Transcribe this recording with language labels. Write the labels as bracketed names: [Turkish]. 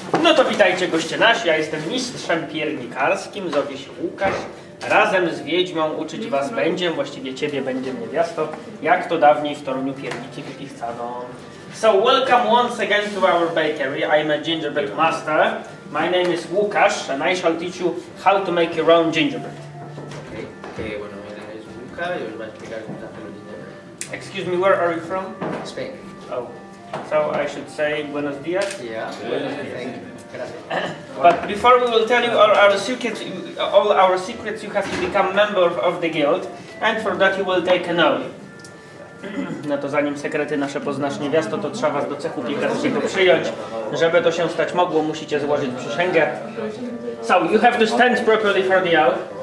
[Polish] No to witajcie goście nasi, ja jestem mistrzem piernikarskim, zowie się Łukasz. Razem z Wiedźmią uczyć was będziemy, właściwie ciebie będzie niewiasto, jak to dawniej w Toruniu pierniki wypiekano. [English] So welcome once again to our bakery. I'm a gingerbread master. My name is Łukasz and I shall teach you how to make your own gingerbread. [Spanish] Okay, bueno, mi nombre es Luca y os voy a explicar cómo hacer el gingerbread. [English] Excuse me, where are you from? Spain. Oh. So I should say [Spanish] buenos dias. [English] Yeah. [Spanish] Buenos dias. [English] Thank you. But before we will tell you all our secrets, you have to become member of the guild, and for that you will take an oath. [Polish] No to zanim sekrety nasze poznasz niewiasto, to trzeba was do cechu piekarskiego przyjąć. Żeby to się stać mogło, musicie złożyć przysięgę. [English] So you have to stand properly for the oath.